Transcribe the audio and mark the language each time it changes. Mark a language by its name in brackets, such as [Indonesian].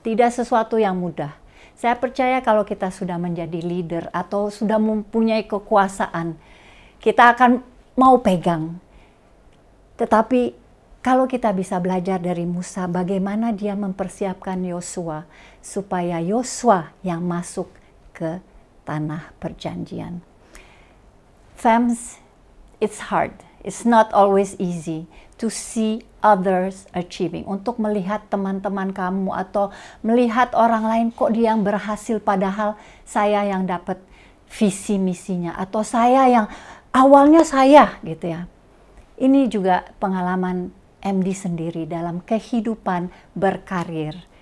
[Indonesian] Tidak sesuatu yang mudah. Saya percaya kalau kita sudah menjadi leader atau sudah mempunyai kekuasaan, kita akan mau pegang. Tetapi kalau kita bisa belajar dari Musa, bagaimana dia mempersiapkan Yosua supaya Yosua yang masuk ke tanah perjanjian. [English] Fams, it's hard. It's not always easy to see others achieving. [Indonesian] Untuk melihat teman-teman kamu atau melihat orang lain, kok dia yang berhasil padahal saya yang dapat visi misinya atau saya yang awalnya saya gitu ya. Ini juga pengalaman MD sendiri dalam kehidupan berkarir.